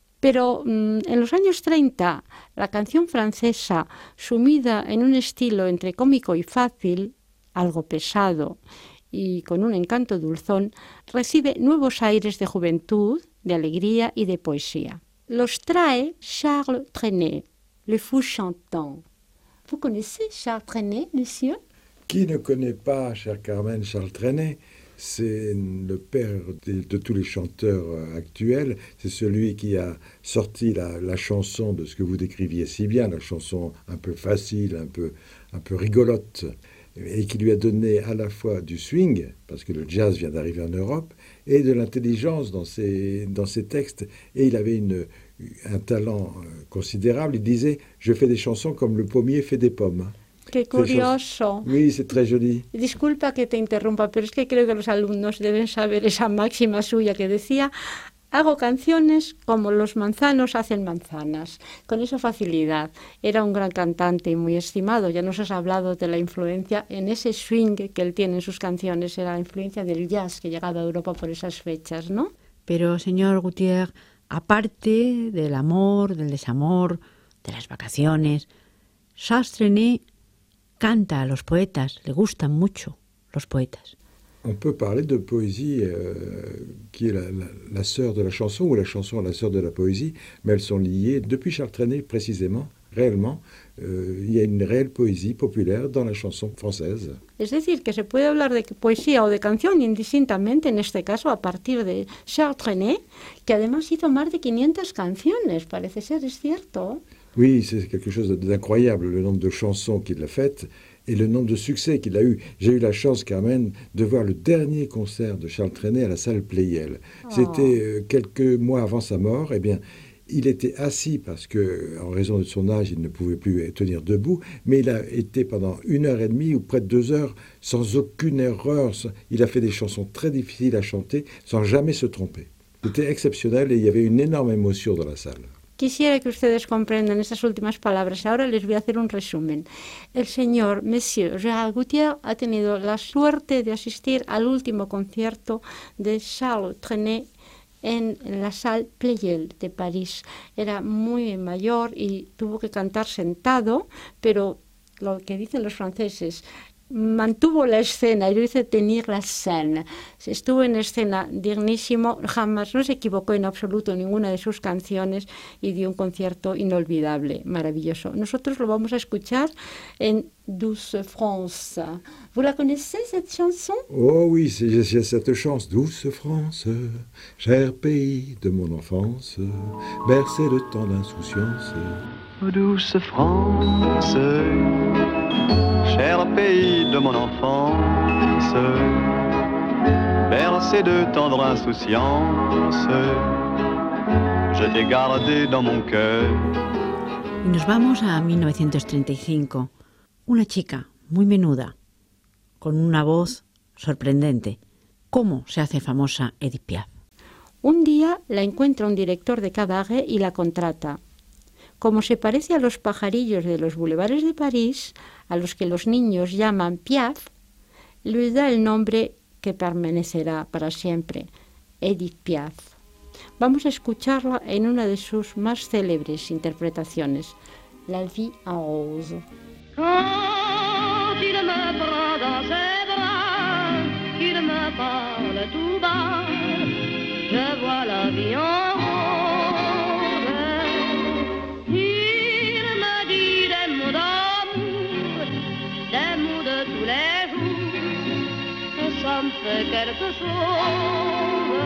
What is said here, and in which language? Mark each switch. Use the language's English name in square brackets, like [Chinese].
[Spanish] Pero en los años 30, la canción francesa, sumida en un estilo entre cómico y fácil, algo pesado y con un encanto dulzón, recibe nuevos aires de juventud, de alegría y de poesía. Los trae Charles Trenet, Le Fou Chantant. [French] Vous connaissez Charles Trenet, monsieur? Qui ne connaît pas, chère Carmen, Charles Trenet? C'est le père de tous les chanteurs actuels. C'est celui qui a sorti la chanson de ce que vous décriviez si bien, la chanson un peu facile, un peu rigolote, et qui lui a donné à la fois du swing, parce que le jazz vient d'arriver en Europe, et de l'intelligence dans ses textes. Et il avait un talent considérable. Il disait « Je fais des chansons comme le pommier fait des pommes ». [Spanish] Qué curioso. [French] Oui, c'est très joli. [Spanish] Disculpa que te interrumpa, pero es que creo que los alumnos deben saber esa máxima suya que decía: hago canciones como los manzanos hacen manzanas. Con esa facilidad. Era un gran cantante y muy estimado. Ya nos has hablado de la influencia en ese swing que él tiene en sus canciones. Era la influencia del jazz que llegaba a Europa por esas fechas, ¿no? Pero, señor Gutiérrez, aparte del amor, del desamor, de las vacaciones, Charles Trenet canta a los poetas, le gustan mucho los poetas. [French] On peut parler de poésie qui est la sœur de la chanson, ou la chanson la sœur de la poésie, mais elles sont liées. Depuis Charles Trenet, précisément, réellement, il y a une réelle poésie populaire dans la chanson française. [Spanish] Es decir, que se puede hablar de poesía o de canción indistintamente, en este caso, a partir de Charles Trenet, que además hizo más de 500 canciones, parece ser, es cierto. [French] Oui, c'est quelque chose d'incroyable, le nombre de chansons qu'il a faites et le nombre de succès qu'il a eu. J'ai eu la chance, Carmen, de voir le dernier concert de Charles Trenet à la salle Pleyel. Oh. C'était quelques mois avant sa mort. Eh bien, il était assis parce que, en raison de son âge, il ne pouvait plus tenir debout. Mais il a été pendant une heure et demie ou près de deux heures sans aucune erreur. Il a fait des chansons très difficiles à chanter sans jamais se tromper. C'était exceptionnel et il y avait une énorme émotion dans la salle. [Spanish] Quisiera que ustedes comprendan esas últimas palabras. Ahora les voy a hacer un resumen. El señor Monsieur Charles Gutiérrez ha tenido la suerte de asistir al último concierto de Charles Trenet en la Salle Pleyel de París. Era muy mayor y tuvo que cantar sentado, pero lo que dicen los franceses, mantuvo la escena, yo hice [French] tenir la scène. [Spanish] Estuvo en escena dignísimo, jamás, no se equivocó en absoluto en ninguna de sus canciones y dio un concierto inolvidable, maravilloso. Nosotros lo vamos a escuchar en Douce France. [French] ¿Vous la connaissez, cette chanson? Oh oui, j'ai cette chance. Douce France, cher pays de mon enfance, bercé de tant d'insouciance. Douce France, cher pays de mon enfance, bercé de tendre insouciance, je t'ai gardé dans mon cœur. [Spanish] Y nos vamos a 1935. Una chica muy menuda, con una voz sorprendente. ¿Cómo se hace famosa Edith Piaf? Un día la encuentra un director de cabaret y la contrata. Como se parece a los pajarillos de los bulevares de París, a los que los niños llaman Piaf, le da el nombre que permanecerá para siempre, Edith Piaf. Vamos a escucharla en una de sus más célebres interpretaciones, La vie en rose. [French] Quand il me prend dans ses bras, il me parle tout bas, je vois la vie en rose. Il me dit des mots d'amour, des mots de tous les jours, que ça me fait quelque chose.